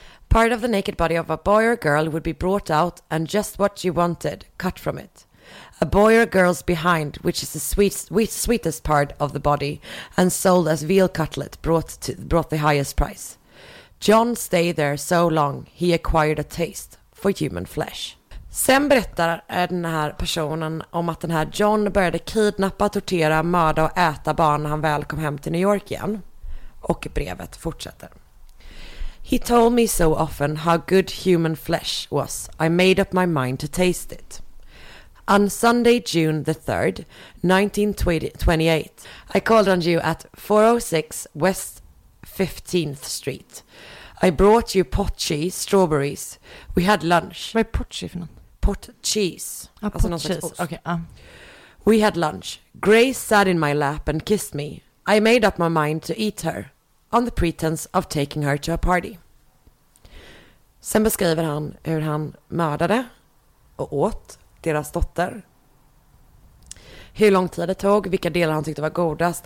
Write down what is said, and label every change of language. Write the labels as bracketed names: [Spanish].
[English] Part of the naked body of a boy or girl would be brought out and just what you wanted, cut from it. A boy or a girl's behind, which is the sweetest part of the body, and sold as veal cutlet, brought the highest price. John stayed there so long, he acquired a taste for human flesh. [Swedish] Sen berättar den här personen om att den här John började kidnappa, tortera, mörda och äta barn när han väl kom hem till New York igen. Och brevet fortsätter. [English] He told me so often how good human flesh was. I made up my mind to taste it. On Sunday, June the 3rd, 1928, I called on you at 406 West 15th Street. I brought you pot cheese, strawberries. We had lunch. [Swedish] Vad är pot cheese för något? [English] Pot cheese. [Swedish] Ah, alltså pot cheese. Okay, [English] We had lunch. Grace sat in my lap and kissed me. I made up my mind to eat her. On the pretense of taking her to a party. [Swedish] Sen beskriver han hur han mördade och åt deras dotter. Hur lång tid det tog, vilka delar han tyckte var godast.